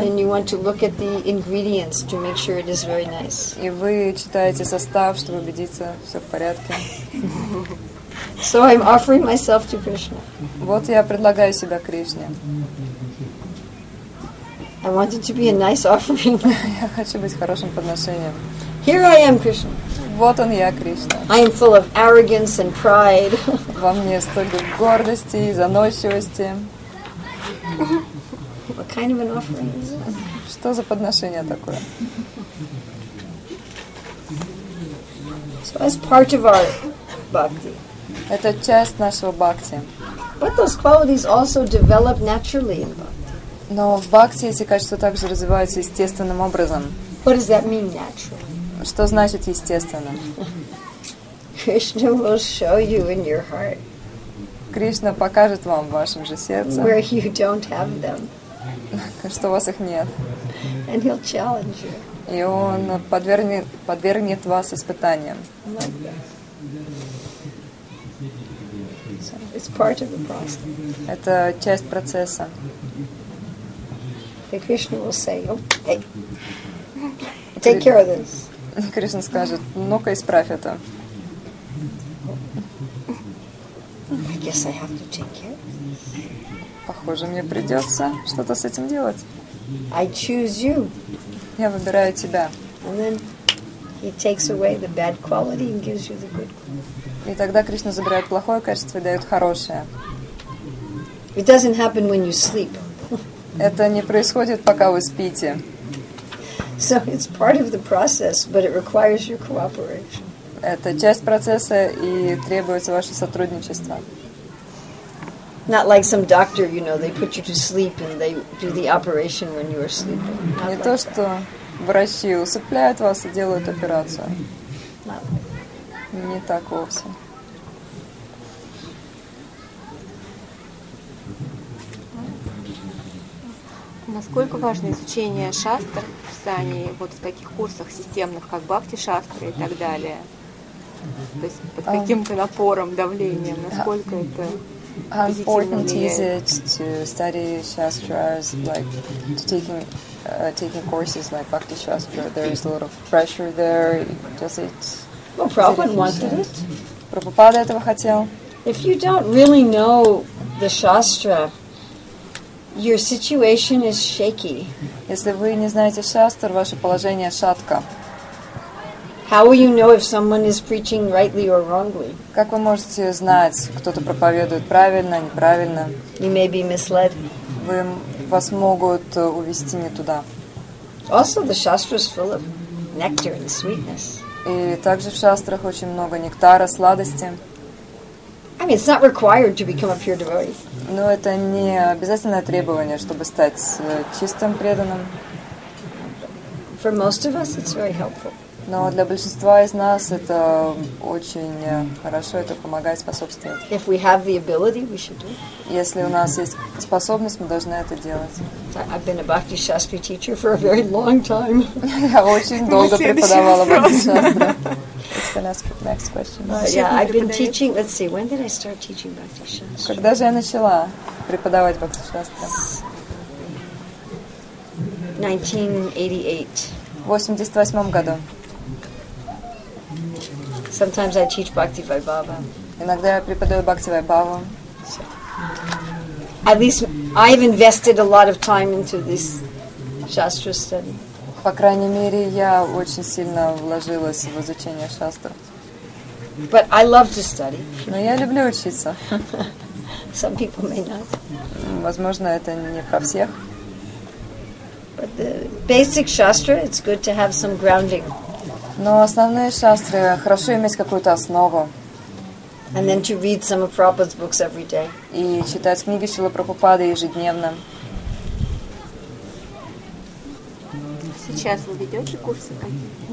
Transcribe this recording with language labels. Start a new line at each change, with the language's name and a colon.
English: And you want to look at the ingredients to make sure it is very nice.
Russian: И вы читаете состав, чтобы убедиться, все в порядке.
English: So I'm offering myself to Krishna.
Russian: Вот я предлагаю себя Кришне.
English: I want it to be a nice offering.
Russian: Я хочу быть хорошим подношением.
English: Here I am, Krishna.
Russian: Вот он я, Кришна.
English: I am full of arrogance and pride.
Russian: Во мне столько гордости и заносчивости.
English: What kind of an offering is it?
Russian: Что за подношение такое?
English: So as part of our bhakti.
Russian: Это часть нашего бхакти.
English: But those qualities also develop naturally in bhakti.
Russian: Но в бхакти эти качества также развиваются естественным образом.
English: What does that mean, natural?
Russian: Что значит естественно?
English: Krishna will show you in your heart.
Russian: Кришна покажет вам в вашем же сердце.
English: Where you don't have them.
Russian: Что у вас их нет.
English: And he'll challenge you.
Russian: И он подвергнет вас испытаниям.
English: So it's part of the process.
Russian: Это часть процесса.
English: And Krishna will say, okay, take care of this.
Russian: Кришна скажет, ну-ка, исправь это.
English: I guess I have to take care.
Russian: Похоже, мне придется что-то с этим делать.
English: I choose you.
Russian: Я выбираю тебя.
English: And then he takes away the bad quality and gives you the good quality.
Russian: И тогда Кришна забирает плохое качество и дает хорошее.
English: It doesn't happen when you sleep.
Russian: Это не происходит, пока вы спите.
English: So it's part of the process, but it requires your cooperation.
Russian: Это часть процесса и требуется ваше сотрудничество.
English: Not like some doctor, you know, they put you to sleep and they do the operation when you are sleeping.
Russian: Не то, что врачи усыпляют вас и делают операцию. Не так вовсе. Насколько важно изучение шастр в Сане, вот в таких курсах системных, как бхакти-шастры и так далее? То есть под каким-то напором, давлением, насколько это позитивно влияет?
English: How important is it to study shastras, like to taking taking courses like Bhakti Shastra, there is a lot of pressure there. Does it? Well, Prabhupada wanted it.
Russian: Prabhupada этого хотел.
English: If you don't really know the Shastra, your situation is shaky.
Russian: Если вы не знаете шастр, ваше положение шатко.
English: How will you know if someone is preaching rightly or wrongly?
Russian: Как вы можете знать, кто-то проповедует правильно, неправильно?
English: You may be misled.
Russian: Вас могут увести не туда.
English: Also, the shastra is full of nectar and sweetness.
Russian: И также в шастрах очень много нектара, сладости.
English: I mean, it's not required to become a pure devotee.
Russian: Но это не обязательное требование, чтобы стать чистым преданным.
English: For most of us, it's very helpful.
Russian: Но для большинства из нас это очень хорошо, это помогает, способствует.
English: If we have the ability, we should do it.
Russian: Если у нас есть способность, мы должны это делать.
English: I've been a Bhakti Shastri teacher for a very long time.
Russian: Я очень долго преподавала Bhakti Shastri.
English: Let's then ask the next question. Yeah, I've been teaching, let's see, when did I start teaching Bhakti Shastri?
Russian: Когда же я начала преподавать Bhakti Shastri?
English: 1988.
Russian: В 88-м году.
English: Sometimes I teach Bhakti Vaibhava.
Russian: Иногда я преподаю Бхакти Вайбхава.
English: At least I've invested a lot of time into this shastra study.
Russian: По крайней мере, я очень сильно вложилась в изучение шастр.
English: But I love to study.
Russian: Но я люблю учиться.
English: Some people may not.
Russian: Возможно, это не про всех.
English: But the basic shastra, it's good to have some grounding.
Russian: Но основные шастры хорошо иметь какую-то основу.
English: And then to read some of Prabhupada's books every day.
Russian: И читать книги Шрилы Прабхупады ежедневно. Сейчас вы ведете курсы какие-то?